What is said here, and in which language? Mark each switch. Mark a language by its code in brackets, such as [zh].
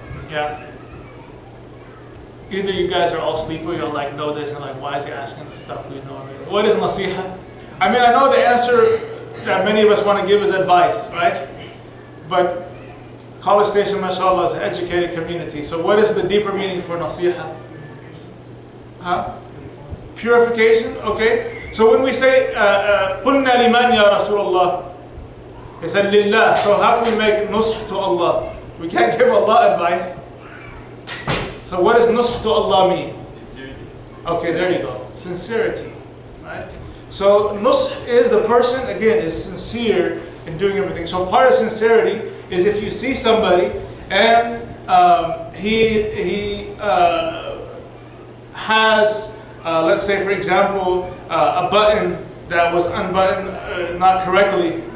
[en] Yeah. Either you guys are all asleep or you're like, know this, and like, why is he asking this stuff? We know already. What is nasiha? I mean, I know the answer that many of us want to give is advice, right? But College Station, mashallah, is an educated community. So what is the deeper meaning for nasiha? Huh? Purification, okay? So when we say, [ar] قُلْنَا لِمَنْ يَا رَسُولَ اللَّهِ, [en] it's لِلَّهِ. So how can we make nusḥ to Allah? We can't give Allah advice. So what does nusḥ to Allah mean? Sincerity. Okay, there you go. Sincerity, right? So nusḥ is the person, again, is sincere in doing everything. So part of sincerity is if you see somebody and he has, let's say, for example, a button that was unbuttoned not correctly.